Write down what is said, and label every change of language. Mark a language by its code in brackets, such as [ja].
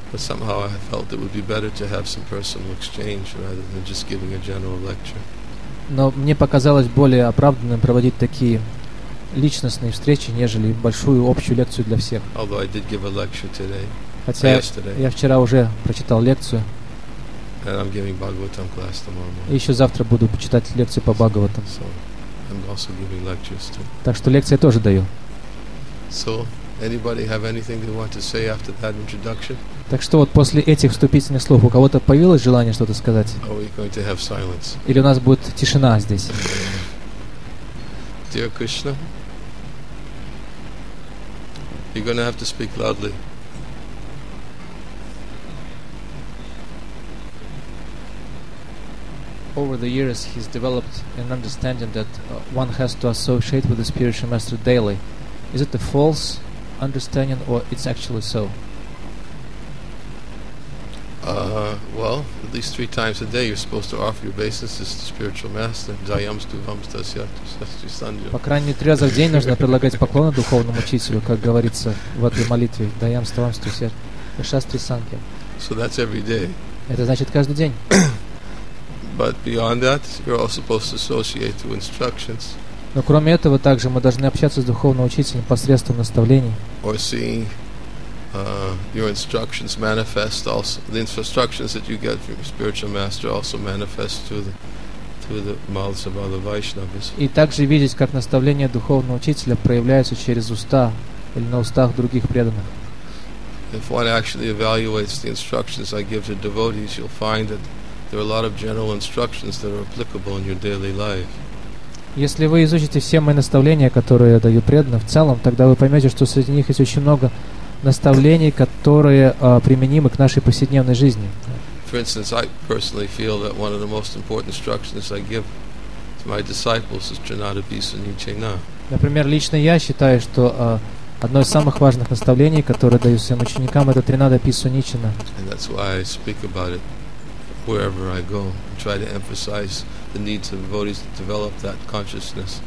[en] But somehow I felt it would be better to have some personal exchange rather than just giving a general lecture. [ru] Но мне показалось более оправданным проводить такие личностные встречи, нежели большую общую лекцию для всех. [en] Although I did give a lecture today. [ru] Хотя я вчера уже прочитал лекцию. [en] And I'm giving Bhagavatam class tomorrow morning. [ru] И еще завтра буду читать лекции по Бхагаватам. [en] So I'm also giving lectures too. [ru] Так что лекции я тоже даю. [en] So anybody have anything they want to say after that introduction? [ru] Так что вот после этих вступительных слов у кого-то появилось желание что-то сказать? [en] Are we going to have silence? [ru] Или у нас будет тишина здесь? [en] Dear Krishna, you're going to have to speak loudly. Over the years, he's developed an understanding that one has to associate with the spiritual master daily. Is it a false understanding, or it's actually so? Well, at least three times a day, you're supposed to offer your obeisances to spiritual master. Dayams duvams tasya sastrisanjo. [ru] По крайней мере, раз в день нужно предлагать поклоны духовному учителю, как говорится в этой молитве. [en] Dayams duvams tasya sastrisanjo. So that's every day. [ru] Это значит каждый день. [en] But beyond that, you're also supposed to associate through instructions. [ru] Но кроме этого, также мы должны общаться с духовным учителем посредством наставлений. [en] Or seeing your instructions manifest also. The instructions that you get from your spiritual master also manifest through the mouths of other Vaishnavas. [ru] И также видеть, как наставления духовного учителя проявляются через уста или на устах других преданных. [en] If one actually evaluates the instructions I give to devotees, you'll find that there are a lot of general instructions that are applicable in your daily life. [ru] Если вы изучите все мои наставления, которые я даю преданным в целом, тогда вы поймете, что среди них есть очень много наставлений, которые применимы к нашей повседневной жизни. [en] For instance, I personally feel that one of the most important instructions I give to my disciples is Janata Bisa Nichena. [ru] Например, лично я считаю, что одно из самых важных наставлений, которое даю своим ученикам, это Тринада Бису Ничена. [en] And that's why I speak about it wherever I go, and try to emphasize the need to devotees to develop that consciousness.